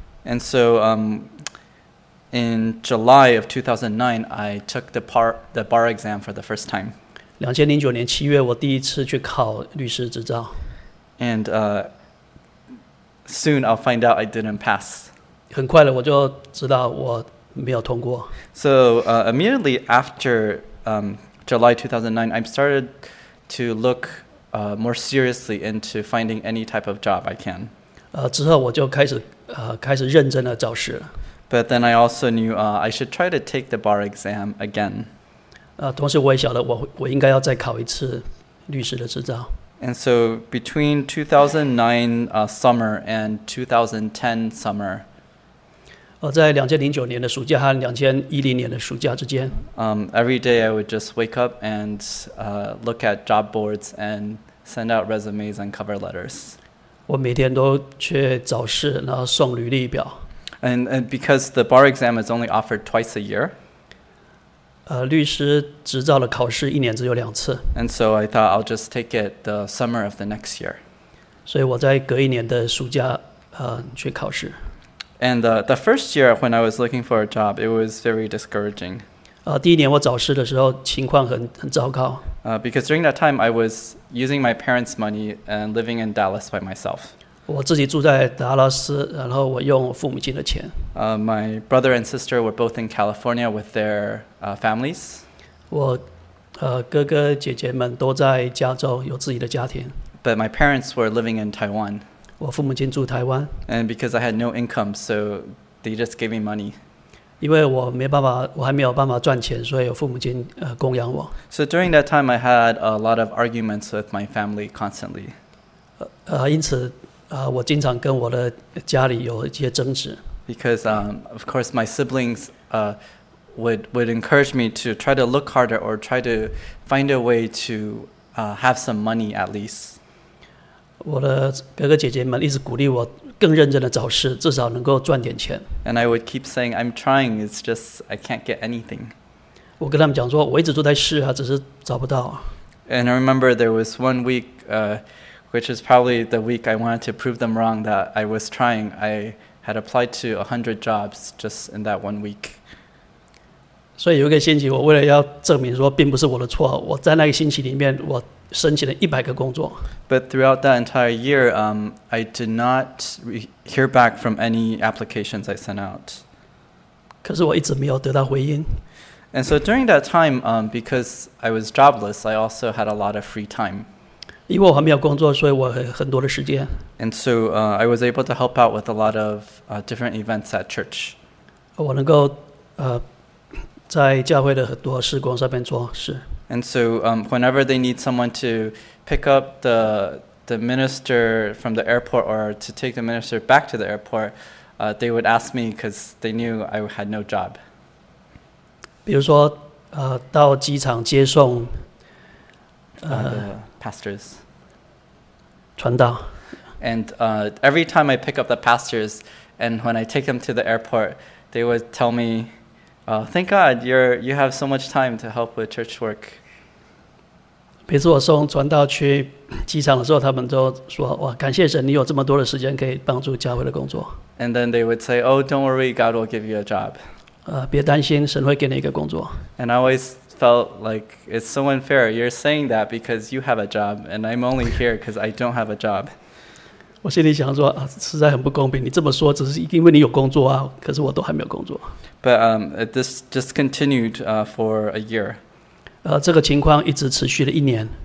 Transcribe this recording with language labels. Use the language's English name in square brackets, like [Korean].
[English] And so, in July of 2009, I took the bar exam for the first time. [Chinese] 2009年7月我第一次去考律师执照。 [English] And soon I'll find out I didn't pass. [Chinese] 很快了我就知道我没有通过。 [English] So immediately after July 2009, I started to look more seriously into finding any type of job I can. [Chinese] 之后我就开始认真的找事了。 [English] But then I also knew I should try to take the bar exam again. [Chinese] 同时我也晓得我应该要再考一次律师的执照。 [English] And so between 2009 summer and 2010 summer, [Chinese] 在2009年的暑假和2010年的暑假之间 [English] every day I would just wake up and look at job boards and send out resumes and cover letters. [Chinese] 我每天都去找事，然后送履历表。 [English] And because the bar exam is only offered twice a year, [Chinese] 律师执照的考试一年只有两次。 [English] And so I thought I'll just take it the summer of the next year. [Chinese] 所以我在隔一年的暑假去考试。 [English] And the first year when I was looking for a job, it was very discouraging. [Chinese] 第一年我找事的时候情况很糟糕。 [English] Because during that time, I was using my parents' money and living in Dallas by myself. [Chinese] 我自己住在达拉斯，然后我用父母亲的钱。 [English] My brother and sister were both in California with their families. [Chinese] 我哥哥姐姐们都在加州，有自己的家庭。 [English] But my parents were living in Taiwan. [Chinese] 我父母亲住台湾。 [English] And because I had no income, so they just gave me money. [Chinese] 因为我没办法，我还没有办法赚钱，所以我父母亲供养我。 [English] So during that time, I had a lot of arguments with my family constantly. [Chinese] 因此。我经常跟我的家里有一些争执。 [English] Because of course my siblings would encourage me to try to look harder or try to find a way to have some money at least. [Chinese] 我的哥哥姐姐们一直鼓励我更认真的找事，至少能够赚点钱。 [English] And I would keep saying I'm trying, it's just I can't get anything. [Chinese] 我跟他们讲说我一直都在试啊，只是找不到。 [English] And I remember there was one week which is probably the week I wanted to prove them wrong that I was trying. I had applied to 100 jobs just in that one week. [Chinese] 所以有一个星期，我为了要证明说并不是我的错，我在那个星期里面我申请了100个工作。 [English] But throughout that entire year, I did not hear back from any applications I sent out. [Chinese] 可是我一直没有得到回音。 [English] And so during that time, because I was jobless, I also had a lot of free time. [Chinese] 因为我还没有工作，所以我很多的时间。 [English] And so, I was able to help out with a lot of different events at church. [Chinese] 我能够在教会的很多事工上面做事。 [English] And so, whenever they need someone to pick up the minister from the airport or to take the minister back to the airport, they would ask me because they knew I had no job. [Chinese] 比如说，到机场接送， [English] Pastors. [Chinese] 传道 [English] And every time I pick up the pastors and when I take them to the airport, they would tell me, thank God you have so much time to help with church work. [Chinese] 每次我送传道去机场的时候，他们都说，哇，感谢神，你有这么多的时间可以帮助教会的工作。 [English] And then they would say, oh, don't worry, God will give you a job. [Chinese] 别担心，神会给你一个工作。 [English] And I always,felt like it's so unfair. You're saying that because you have a job, and I'm only here because I don't have a job. [Chinese] 我心里想说，实在很不公平。你这么说，只是因为你有工作啊，可是我都还没有工作。 [English] But this just continued for a year. [Chinese] 这个情况一直持续了一年。